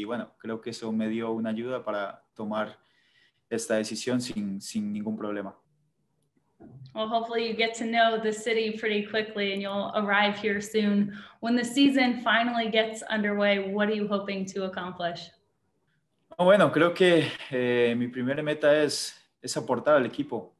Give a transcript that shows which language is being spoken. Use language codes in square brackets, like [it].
[es] Y bueno, creo que eso me dio una ayuda para tomar esta decisión sin ningún problema. [en] Well, hopefully you get to know the city pretty quickly and you'll arrive here soon. When the season finally gets underway, what are you hoping to accomplish? [es] Bueno, creo que mi primera meta es aportar al equipo.